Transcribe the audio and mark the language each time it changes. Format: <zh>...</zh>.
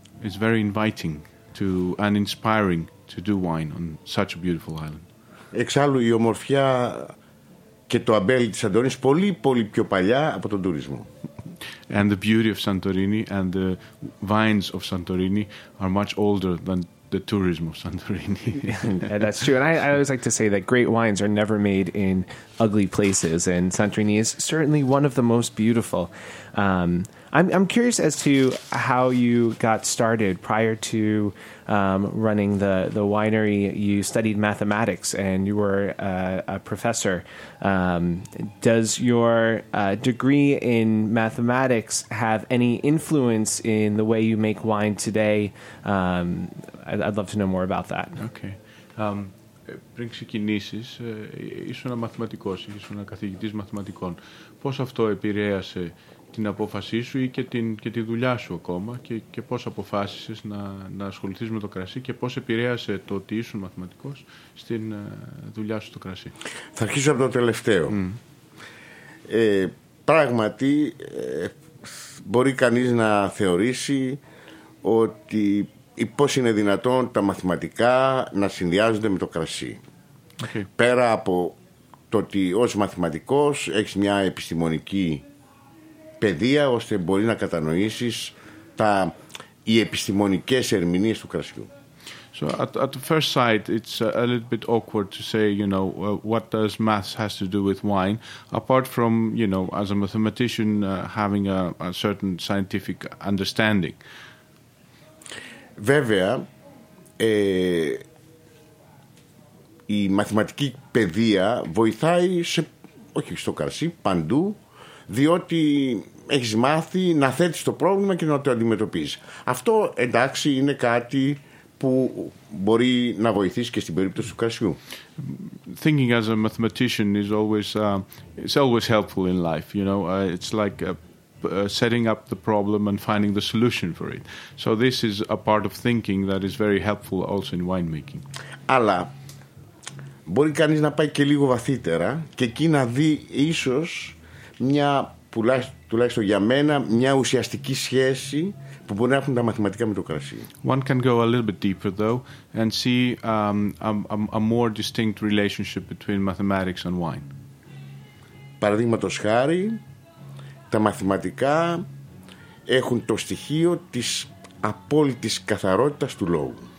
<en>It's very inviting to and inspiring to do wine on such a beautiful island.</en> <el>Εξάλλου η ομορφιά και το αμπέλι της Σαντορίνης πολύ πολύ πιο παλιά από τον τουρισμό.</el> <en>And the beauty of Santorini and the vines of Santorini are much older than the tourism of Santorini. And that's true. And I always like to say that great wines are never made in ugly places. And Santorini is certainly one of the most beautiful. I'm curious as to how you got started prior to running the winery. You studied mathematics and you were a professor. Does your degree in mathematics have any influence in the way you make wine today? I'd love to know more about that. Okay.</en> <el>Πριν ξεκινήσεις, ήσουν μαθηματικός, ήσουν καθηγητής μαθηματικών. Πώς αυτό επηρέασε την απόφασή σου ή και τη δουλειά σου ακόμα και πώς αποφάσισες να ασχοληθείς με το κρασί και πώς επηρέασε το ότι ήσουν μαθηματικός στην δουλειά σου στο κρασί. Θα αρχίσω από το τελευταίο. Mm. Πράγματι, μπορεί κανείς να θεωρήσει ότι ή πώς είναι δυνατόν τα μαθηματικά να συνδυάζονται με το κρασί. Okay. Πέρα από το ότι ως μαθηματικός έχεις μια επιστημονική παιδεία ώστε μπορεί να κατανοήσεις οι επιστημονικές ερμηνείες του κρασιού.</el> <en>So at the first sight, it's a little bit awkward to say, you know, what does maths has to do with wine? Apart from, you know, as a mathematician having a certain scientific understanding.</en> <el>Βέβαια, η μαθηματική παιδεία βοηθάει όχι στο κρασί, παντού, διότι έχεις μάθει να θέτεις το πρόβλημα και να το αντιμετωπίζεις. Αυτό, εντάξει, είναι κάτι που μπορεί να βοηθήσει και στην περίπτωση του κρασιού.</el> <en>Thinking as a mathematician is always, it's always helpful in life, you know, it's like setting up the problem and finding the solution for it. So this is a part of thinking that is very helpful also in winemaking.</en> <el>Αλλά μπορεί κανείς να πάει και λίγο βαθύτερα και εκεί να δει ίσως μια, τουλάχιστον για μένα, μια ουσιαστική σχέση που μπορεί να έχουν τα μαθηματικά με το κρασί.</el> <en>One can go a little bit deeper though and see a more distinct relationship between mathematics and wine.</en> <el>Παραδείγματος χάρη, τα μαθηματικά έχουν το στοιχείο της απόλυτης καθαρότητας του λόγου.</el>